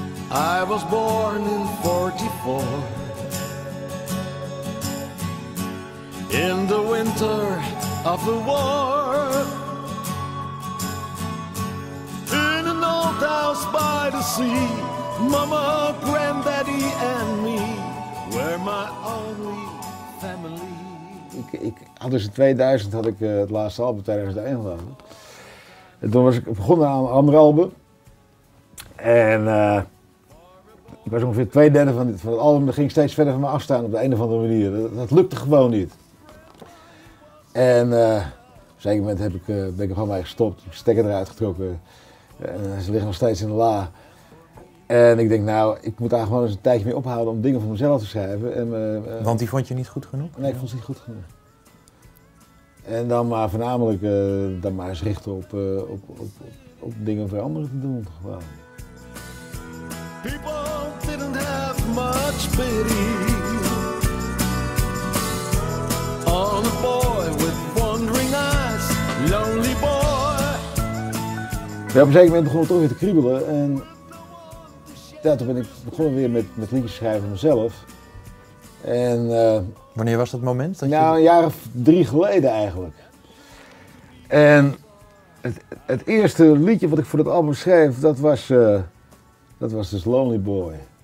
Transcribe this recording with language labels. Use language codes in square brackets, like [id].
[en] I was born in 44 in the winter of the war, in an old house by the sea. Mama, granddaddy and me were my only family. [nl] Ik had dus in 2000 had ik het laatste album tijdens de eindbaan. En toen was ik begonnen aan een ander album. En ik was ongeveer twee derde van het album. Dat ging steeds verder van me afstaan op de een of andere manier. Dat lukte gewoon niet. En op een gegeven moment ben ik er gewoon mee gestopt. Ik heb stekker eruit getrokken. En ze liggen nog steeds in de la. En ik denk, nou, ik moet daar gewoon eens een tijdje mee ophouden om dingen voor mezelf te schrijven. En, want die vond je niet goed genoeg? Nee, ik vond ze niet goed genoeg. En dan maar voornamelijk dan maar eens richten op dingen voor anderen te doen. Gewoon. [en] People didn't have much pity on a boy with wandering eyes, lonely boy. [nl] Ja, op een gegeven moment begon het toch weer te kriebelen en ja, toen ben ik begonnen weer met liedjes schrijven mezelf. En wanneer was dat moment? Dat nou, een jaar of drie geleden eigenlijk. En het eerste liedje wat ik voor dat album schreef, dat was dus Lonely Boy.